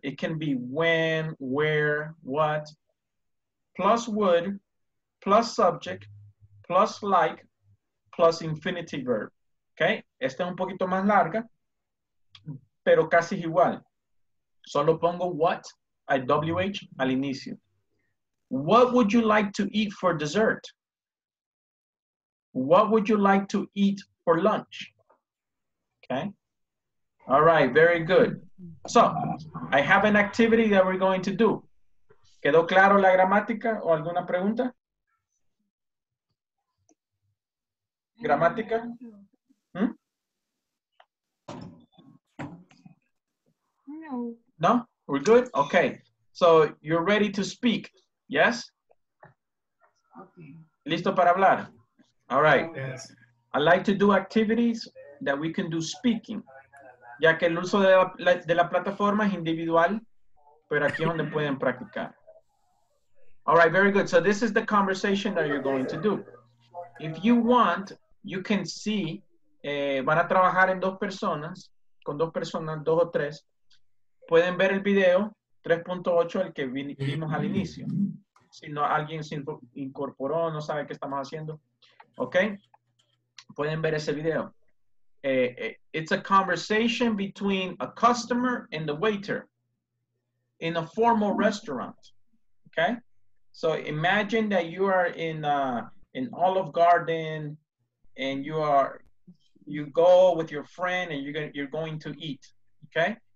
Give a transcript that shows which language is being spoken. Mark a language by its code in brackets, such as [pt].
[en] It can be when, where, what, plus would, plus subject, plus like, plus infinity verb. Okay? [es] Esta es un poquito más larga, pero casi igual. Solo pongo what, a WH, al inicio. [en] What would you like to eat for dessert? What would you like to eat for lunch? Okay? All right, very good. So, I have an activity that we're going to do. [es] ¿Quedó claro la gramática o alguna pregunta? ¿Gramática? No. [en] No? We're good? Okay. So, you're ready to speak. Yes? Okay. [es] ¿Listo para hablar? [en] All right. Yes. I like to do activities that we can do speaking. [es] Ya que el uso de la plataforma es individual, pero aquí es donde pueden practicar. [en] All right. Very good. So, this is the conversation that you're going to do. If you want... You can see, [es] van a trabajar en dos personas, con dos personas, dos o tres. Pueden ver el video 3.8, el que vimos al inicio. Si no, alguien se incorporó, no sabe qué estamos haciendo. [en] Ok. [es] Pueden ver ese video. [en] It's a conversation between a customer and the waiter in a formal restaurant. Ok. So imagine that you are in Olive Garden. And you go with your friend and you're going to eat, okay?